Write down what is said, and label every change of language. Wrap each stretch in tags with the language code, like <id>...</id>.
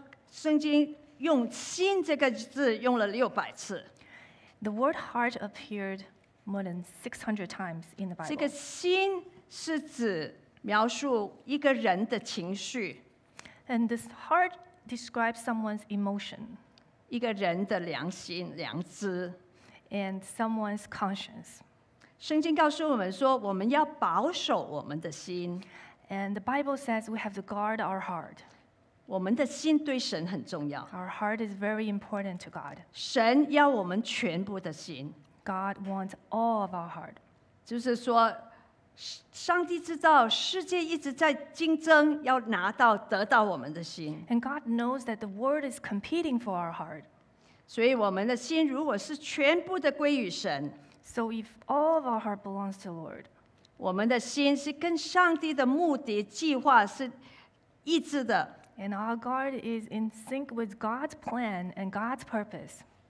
<zh>圣经用心这个字用了六百次。</zh> <en>The word heart appeared more than 600 times in the Bible.</en> <zh>这个心是指描述一个人的情绪。</zh> <en>And this heart describes someone's emotion.</en> <zh>一个人的良心、良知。</zh> <en>And someone's conscience.</en> <zh>圣经告诉我们说，我们要保守我们的心。</zh> <en>And the Bible says we have to guard our heart.</en> <zh>我们的心对神很重要。</zh> <en>Our heart is very important to God.</en> <zh>神要我们全部的心。</zh> <en>God wants all of our heart.</en> <zh>就是说，上帝知道世界一直在竞争，要拿到得到我们的心。</zh> <en>And God knows that the world is competing for our heart.</en> <zh>所以我们的心如果是全部的归于神</zh> <en>，So if all of our heart belongs to the Lord，</en> <zh>我们的心是跟上帝的目的计划是一致的。</zh> <en>And our heart is in sync with God's plan and God's purpose.</en>